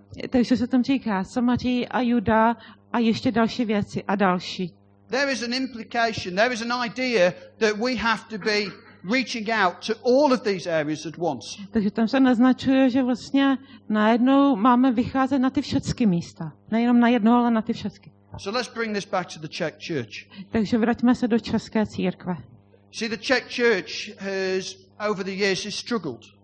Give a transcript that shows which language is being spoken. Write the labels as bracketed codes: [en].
[cs] Takže se tam říká Samaří a Juda a ještě další věci a další. [en] There is an implication, there is an idea that we have to be reaching out to all of these areas at once. [cs] Takže tam se naznačuje, že vlastně najednou máme vycházet na ty všechny místa. Nejenom na jedno, ale na ty všechny. [en] So let's bring this back to the Czech church. [cs] Takže vraťme se do české církve. [en] See, the Czech church has over the years has struggled.